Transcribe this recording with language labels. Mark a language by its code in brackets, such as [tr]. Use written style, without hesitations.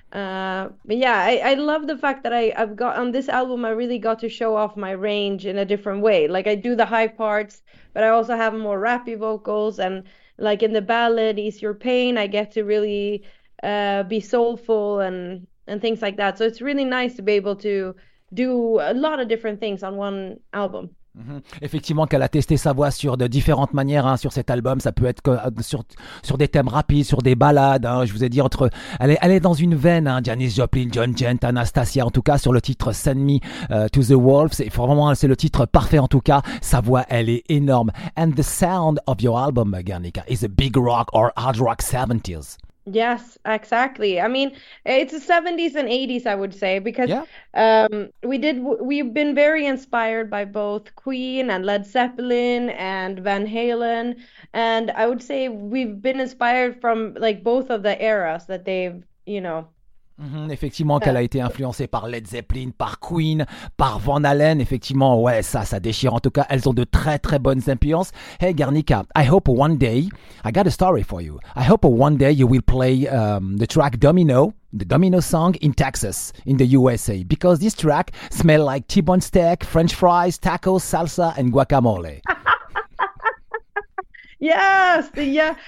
[en] But yeah, I love the fact that I've got on this album, I really got to show off my range in a different way. Like I do the high parts, but I also have more rappy vocals. And like in the ballad, Ease Your Pain, I get to really be soulful and things like that. So it's really nice to be able to do a lot of different things on one album. [fr] Effectivement qu'elle a testé sa voix sur de différentes manières hein, sur cet album. Ça peut être sur des thèmes rapides, sur des ballades hein, je vous ai dit entre elle est dans une veine hein, Janis Joplin, John Jett, Anastasia, en tout cas sur le titre Send Me to the Wolves. Et vraiment c'est le titre parfait, en tout cas sa voix elle est énorme. [en] And the sound of your album, Guernica, is a big rock or hard rock 70s. Yes, exactly. I mean, it's the 70s and 80s, I would say, because we've been very inspired by both Queen and Led Zeppelin and Van Halen. And I would say we've been inspired from like both of the eras that they've, you know. [fr] Effectivement qu'elle a été influencée par Led Zeppelin, par Queen, par Van Halen. Effectivement, ouais, ça déchire. En tout cas, elles ont de très très bonnes influences. [en] Hey Guernica, I hope one day, I got a story for you. I hope one day you will play the track Domino, the Domino song in Texas, in the USA. Because this track smells like T-bone steak, French fries, tacos, salsa and guacamole. Yes, yeah.